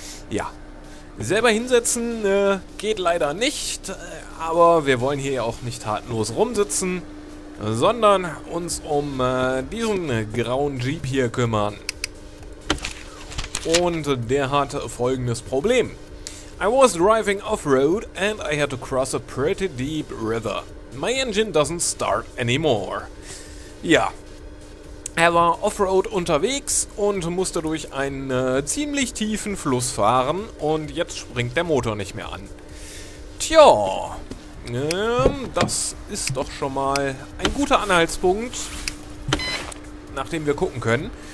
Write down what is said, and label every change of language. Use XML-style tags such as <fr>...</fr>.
<de>Ja, selber hinsetzen geht leider nicht, aber wir wollen hier ja auch nicht tatenlos rumsitzen, sondern uns um diesen grauen Jeep hier kümmern. Und der hat folgendes Problem.</de> <en>I was driving off-road and I had to cross a pretty deep river. My engine doesn't start anymore.</en> <de>Ja, er war off-road unterwegs und musste durch einen ziemlich tiefen Fluss fahren und jetzt springt der Motor nicht mehr an. Tja, das ist doch schon mal ein guter Anhaltspunkt, nach dem wir gucken können.</de>